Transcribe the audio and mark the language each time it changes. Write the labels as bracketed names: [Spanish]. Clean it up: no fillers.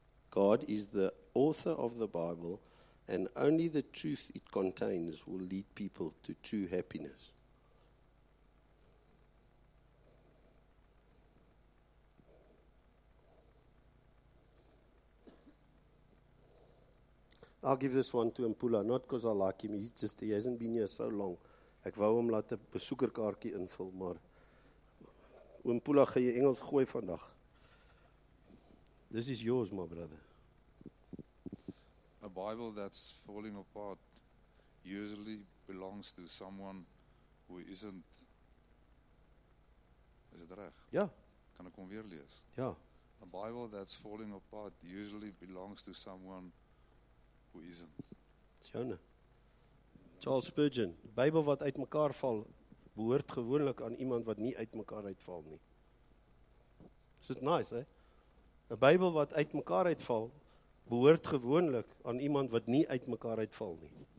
[English] God is the author of the Bible, and only the truth it contains will lead people to true happiness. I'll give this one to Mpula, not because I like him, he hasn't been here so long. [Afrikaans] Ek wou hom laat 'n besoekerkaartjie invul, maar Mpula, gaan jy Engels gooi vandag. [English] This is yours, my brother. A Bible that's falling apart usually belongs to someone who isn't. Is it right? Yeah. [Afrikaans] Kan ek hom weer lees? [English] Yeah. A Bible that's falling apart usually belongs to someone who isn't. Jonah. Charles Spurgeon. [Afrikaans] A Bible wat uit mekaar val, behoort gewoonlik aan iemand wat nie uit mekaar uitval nie. [English] Is it nice, eh? [Afrikaans] A Bible wat uit mekaar uitval, behoort gewoonlik aan iemand wat nie uit mekaar uitval nie.